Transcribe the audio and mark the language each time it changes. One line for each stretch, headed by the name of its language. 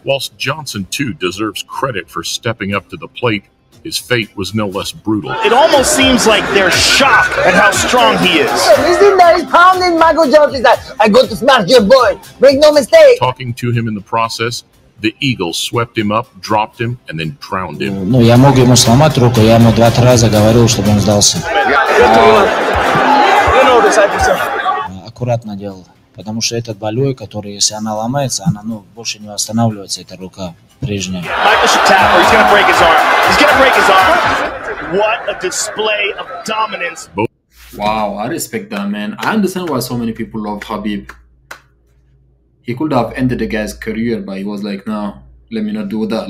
English: Whilst Johnson, too, deserves credit for stepping up to the plate, his fate was no less brutal. It almost seems like they're shocked at how strong he is. Listen, there, he's pounding Michael Johnson's ass. I got to smash your boy. Make no mistake. Talking to him in the process, the eagle swept him up, dropped him, and then drowned him.
Russian: Ну я мог ему сломать руку, я ему два раза говорил, чтобы он сдался. Аккуратно делал, потому что этот болевой, который если она ломается, она ну больше не восстанавливается эта рука.
English: Michael should tap, or he's gonna break his arm. He's gonna break his arm. What a display of dominance. Wow, I respect that, man. I understand why so many people love Khabib. He could have ended the guy's career, but he was like, no, let me not do that.